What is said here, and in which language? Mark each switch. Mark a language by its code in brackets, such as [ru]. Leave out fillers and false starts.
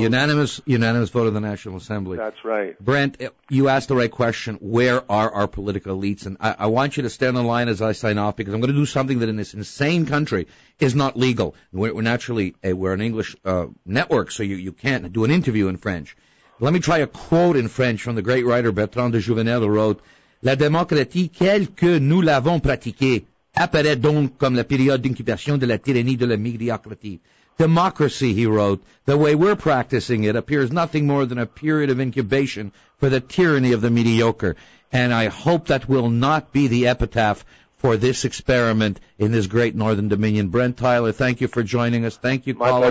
[en] Unanimous vote of the National Assembly. That's right. Brent, you asked the right question. Where are our political elites? And I want you to stay on the line as I sign off, because I'm going to do something that in this insane country is not legal. We're naturally, we're an English network, so you can't do an interview in French. Let me try a quote in French from the great writer Bertrand de Jouvenel, who wrote, [fr] La démocratie, telle que nous l'avons pratiquée, apparaît donc comme la période d'incubation de la tyrannie de la médiocratie. [en] Democracy, he wrote, the way we're practicing it appears nothing more than a period of incubation for the tyranny of the mediocre. And I hope that will not be the epitaph for this experiment in this great northern dominion. Brent Tyler, thank you for joining us. Thank you, callers.